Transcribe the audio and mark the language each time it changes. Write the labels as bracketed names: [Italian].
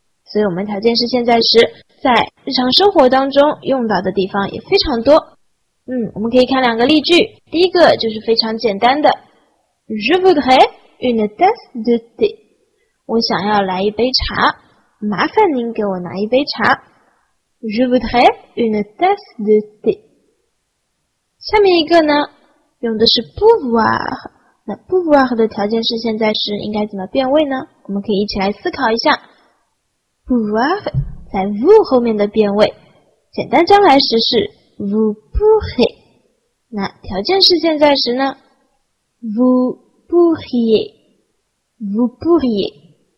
[Chinese] 所以我们条件式现在时在日常生活当中用到的地方也非常多。我们可以看两个例句。第一个就是非常简单的 [French] Je voudrais une tasse de thé， [Chinese] 我想要来一杯茶，麻烦您给我拿一杯茶。 [French] Je voudrais une tasse de thé。 [Chinese] 下面一个呢用的是 pouvoir，那 pouvoir 的条件式现在时应该怎么变位呢？我们可以一起来思考一下。pouvoir 在 vous 后面的变位，简单将来时是 [French] vous pourrez， [Chinese] 那条件式现在时呢 [French] vous pourriez， vous pourriez。